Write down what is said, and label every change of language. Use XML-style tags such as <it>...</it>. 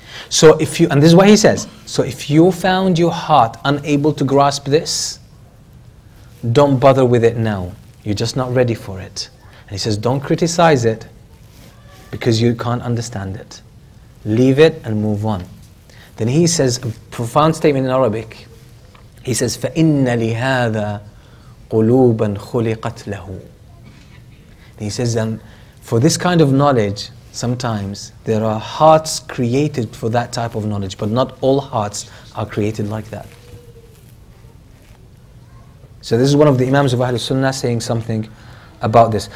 <en>So if you, and this is what he says, so if you found your heart unable to grasp this, don't bother with it now. You're just not ready for it. And he says, don't criticize it because you can't understand it. Leave it and move on. Then he says a profound statement in Arabic. He says,</en> <ar>فَإِنَّ لِهَذَا قُلُوبًا خُلِقَتْ لَهُ.</ar> <en>He says, and for this kind of knowledge, sometimes there are hearts created for that type of knowledge, but not all hearts are created like that. So this is one of the Imams of Ahlul Sunnah saying something about this.</en>